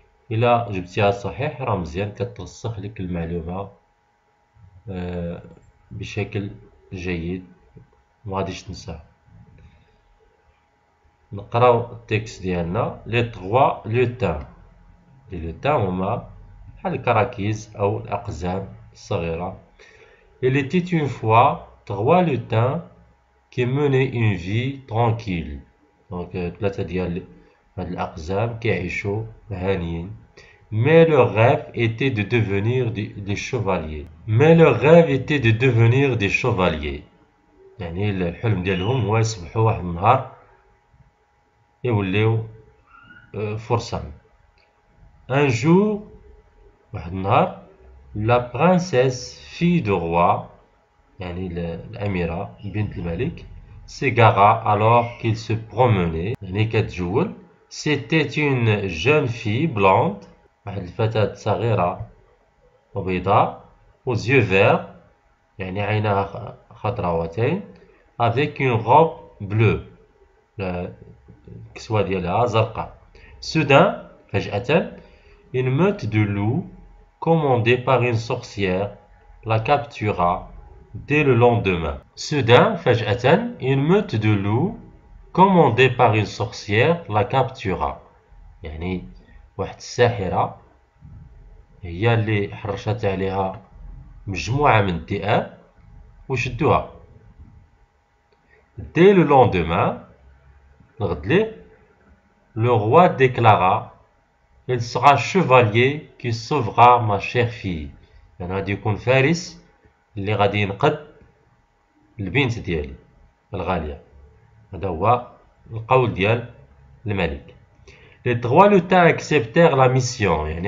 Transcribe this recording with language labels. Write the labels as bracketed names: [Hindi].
[Arabic] إلا جبتيها صحيح راه مزيان، كتوسخ لك المعلومة بشكل جيد، ما غاديش تنسى. نقراو التكست ديالنا. لي تغوا لو تان، لو تان هما بحال الكراكيز أو الأقزام الصغيرة. [French] Il était une fois trois lutins qui menaient une vie tranquille. [Arabic] Donc, ثلاثة ديال هاد الأقزام كيعيشوا هانيين. [French] Mais leur rêve était de devenir des chevaliers. Mais leur rêve était de devenir des chevaliers. [Arabic] يعني الحلم ديالهم هو يصبحوا واحد النهار يوليو فرسان. [French] Un jour, واحد النهار, la princesse, fille du roi, يعني الأميرة بنت الملك, s'égara alors qu'il se promenait. [Arabic] يعني كتجول. [French] C'était une jeune fille blonde. [Arabic] واحد الفتاة صغيرة وبيضاء، aux yeux verts، يعني عيناها خضراوتين، avec une robe bleue، الكسوة ديالها زرقاء. [French] Soudain، فجأة، une meute de loups commandée par une sorcière la captura dès le lendemain. [Arabic] Soudain، فجأة، une meute de loups commandée par une sorcière la captura، يعني واحد الساحرة هي اللي حرشت عليها مجموعة من الذئاب وشدوها. [French] Dès le lendemain، الغد ليه، le roi déclara il sera chevalier qui sauvera ma chère fille. [Arabic] يعني غادي يكون فارس اللي غادي ينقذ البنت ديالي الغالية. هذا هو القول ديال الملك. [French] Les trois lutins acceptèrent la mission.